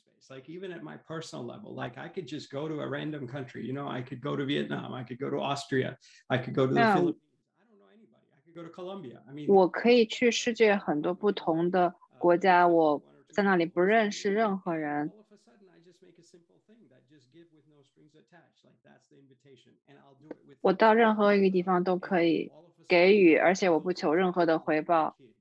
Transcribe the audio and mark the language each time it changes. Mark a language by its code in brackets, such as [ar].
[en] Like even at my personal level, like I could just go to a random country, you know, I could go to Vietnam, I could go to Austria, I could go to the Philippines, I don't know anybody, I could go to Colombia. I mean, [zh] 我可以去世界很多不同的国家，我在那里不认识任何人。 [en] All of a sudden, I just make a simple thing that just give with no strings attached, like that's the invitation, and I'll do it with. [zh] 我到任何一个地方都可以给予，而且我不求任何的回报。